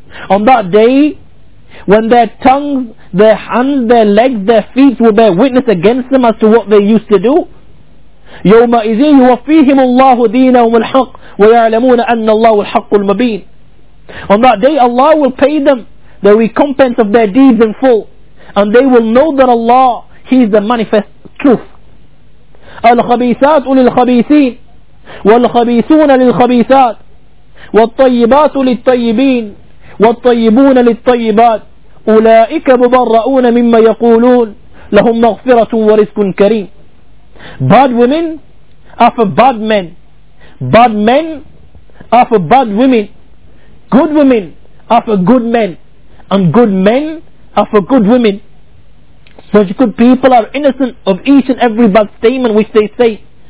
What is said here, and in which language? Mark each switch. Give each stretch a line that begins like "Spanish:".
English: On that day, when their tongues, their hands, their legs, their feet will bear witness against them as to what they used to do.
Arabic: يَوْمَ إِذِي يُوَفِّيهِمُ اللَّهُ دِينَهُمُ الْحَقِّ وَيَعْلَمُونَ أَنَّ اللَّهُ الْحَقُّ الْمَبِينَ.
English: On that day, Allah will pay them the recompense of their deeds in full, and they will know that Allah, He is the manifest truth.
Arabic: الْخَبِيثَاتُ لِلْخَبِيثِينَ وَالْخَبِيثُونَ لِلْخَبِيثَاتِ وَالطَّيِّبَاتُ لِلطَّيِّبِينَ والطيبون للطيبات أولئك مبرؤون مما يقولون لهم مغفرة ورزق كريم.
English: Bad women are for bad men. Bad men are for bad women. Good women are for good men. And good men are for good women. Such good people are innocent of each and every bad statement which they say.